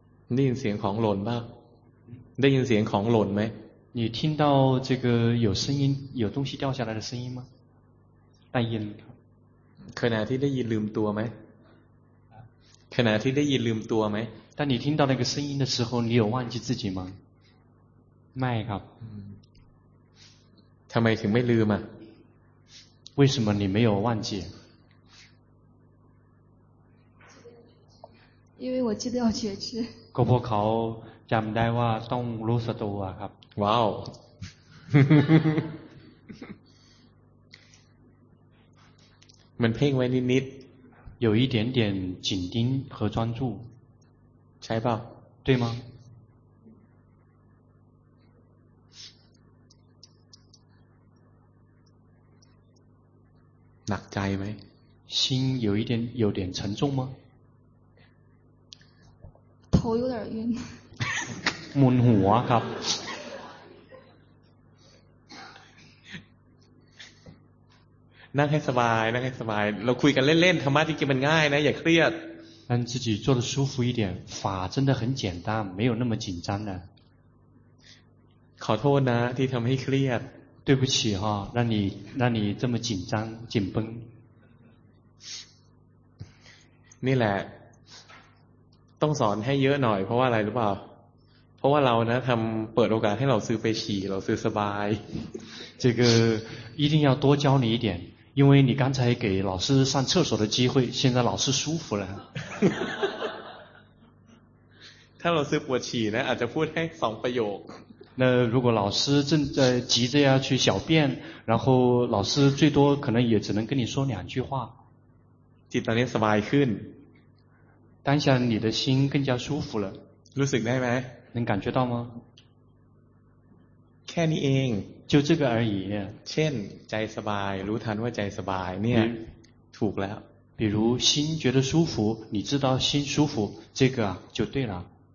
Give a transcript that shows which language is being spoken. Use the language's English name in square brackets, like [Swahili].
[Thai] ได้ยินเสียงของหล่นบ้างได้ยินเสียงของหล่นไหม [Chinese] 你听到这个有声音有东西掉下来的声音吗 [Thai] ได้ยิน ขณะที่ได้ยินลืมตัวไหมขณะที่ได้ยินลืมตัวไหม [Chinese] 当你听到那个声音的时候你有忘记自己吗 [Thai] ไม่ครับ ทำไมถึงไม่ลืมอ่ะ [Chinese] 为什么你没有忘记因为我记得要觉知 [Thai] ก็เพราะเขาจำได้ว่าต้องรู้สตัวครับ ว้าวมันเพ่งไว้นิด [Chinese] ๆ有一点点紧盯和专注 [Thai] ใช่ป่ะ [Chinese] 对吗 [Thai] หนักใจไหม [Chinese] 心有点沉重吗头有点晕 [Thai] มึนหัวครับ นั่งให้สบายนั่งให้สบายเราคุยกันเล่นๆธรรมะที่มันง่ายนะอย่าเครียด [Chinese] นั่ง自己坐得舒服一点法真的很简单没有那么紧张的 [Thai] ขอโทษนะที่ทำให้เครียด [Chinese] 对不起哈让你这么紧张紧绷 [Thai] นี่แหละต้องสอนให้เยอะหน่อยเพราะว่าอะไรหรือเปล่าเพราะว่าเรานะทำเปิดโอกาสให้เราซื้อไปฉี่เราซื้อสบาย [Chinese] 这个一定要多教你一点因为你刚才给老师上厕所的机会现在老师舒服了 [Thai] ถ้าเราซื้อปวดฉี่นะอาจจะพูดให้สองประโยค [Chinese] 那如果老师正在急着要去小便然后老师最多可能也只能跟你说两句话 [Thai] จิตตอนนี้สบายขึ้น [Chinese] 当下你的心更加舒服了 [Thai] รู้สึกได้ไหม [Chinese] 能感觉到吗 [Thai] แค่นี้เอง [Chinese] 就这个而已 [Thai] เช่นใจสบายรู้ทันว่าใจสบายเนี่ยถูกแล้ว [Chinese] 比如心觉得舒服你知道心舒服这个就对了